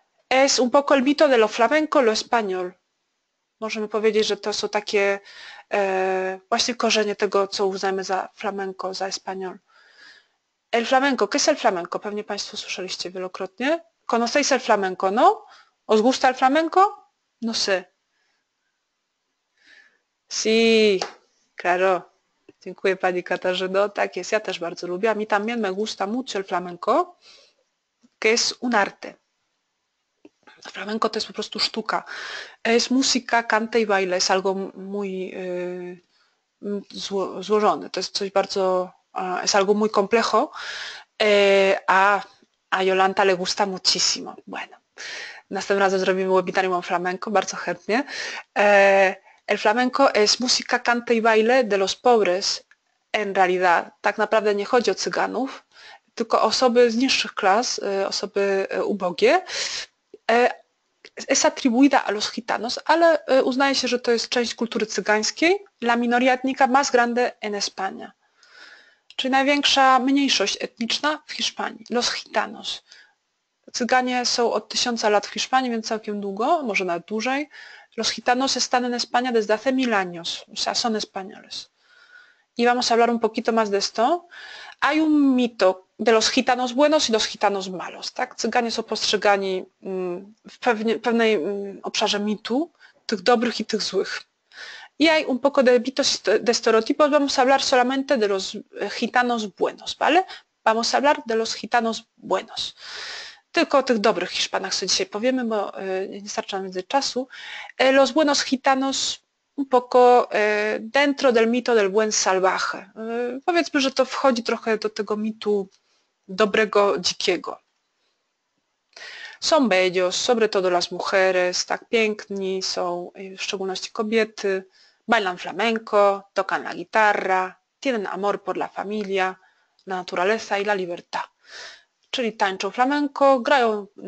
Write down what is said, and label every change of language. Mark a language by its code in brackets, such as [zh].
[es] Es un poco el mito de lo flamenco, lo español. [pl] Możemy powiedzieć, że to są takie właśnie korzenie tego, co uznajemy za flamenco, za español. [es] El flamenco, ¿qué es el flamenco? [pl] Pewnie Państwo słyszeliście wielokrotnie. [es] ¿Conocéis el flamenco, no? ¿Os gusta el flamenco? No sé. Sí, claro. [pl] Dziękuję Pani Katarzyno. Tak jest, ja też bardzo lubię. [es] A mi también me gusta mucho el flamenco, que es un arte. [pl] Flamenco to jest po prostu sztuka. [es] Es música, cante y baile. Es algo muy [pl] złożone. To jest coś bardzo... [es] es algo muy complejo. A Jolanta le gusta muchísimo. Bueno. [pl] Następnym razem zrobimy webinarium o flamenco. Bardzo chętnie. [es] El flamenco es música, cante y baile de los pobres. En realidad. [pl] Tak naprawdę nie chodzi o cyganów. Tylko osoby z niższych klas. Osoby ubogie. [es] Es atribuida a los gitanos, [pl] ale uznaje się, że to jest część kultury cygańskiej, [es] la minoría étnica más grande en España, [pl] czyli największa mniejszość etniczna w Hiszpanii, [es] los gitanos. [pl] Cyganie są od 1000 lat w Hiszpanii, więc całkiem długo, może nawet dłużej. [es] Los gitanos están en España desde hace 1000 años, o sea, son españoles. Y vamos a hablar un poquito más de esto. Hay un mito de los gitanos buenos y los gitanos malos. [pl] Tak? Cyganie są postrzegani w pewnej obszarze mitu, tych dobrych i tych złych. [es] Y hay un poco de mitos de estereotipos. Vamos a hablar solamente de los gitanos buenos, ¿vale? Vamos a hablar de los gitanos buenos. [pl] Tylko o tych dobrych Hiszpanach sobie dzisiaj powiemy, bo nie starcza nam więcej czasu. [es] Los buenos gitanos... Un poco dentro del mito del buen salvaje. [pl] Powiedzmy, że to wchodzi trochę do tego mitu dobrego, dzikiego. [es] Son bellos, sobre todo las mujeres, [pl] tak piękni są, w szczególności kobiety. [es] Bailan flamenco, tocan la guitarra, tienen amor por la familia, la naturaleza y la libertad. [pl] Czyli tańczą flamenco, grają...